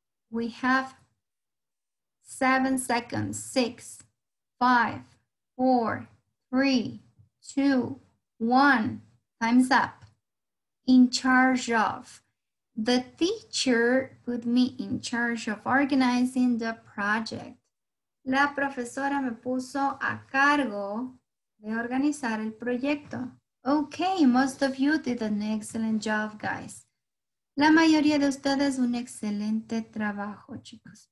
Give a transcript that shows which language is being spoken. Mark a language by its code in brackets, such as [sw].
[en] We have 7 seconds, 6, 5, 4, 3, 2, 1. Time's up. In charge of. The teacher put me in charge of organizing the project. [es] La profesora me puso a cargo de organizar el proyecto. [en] Okay, most of you did an excellent job, guys. [es] La mayoría de ustedes un excelente trabajo, chicos.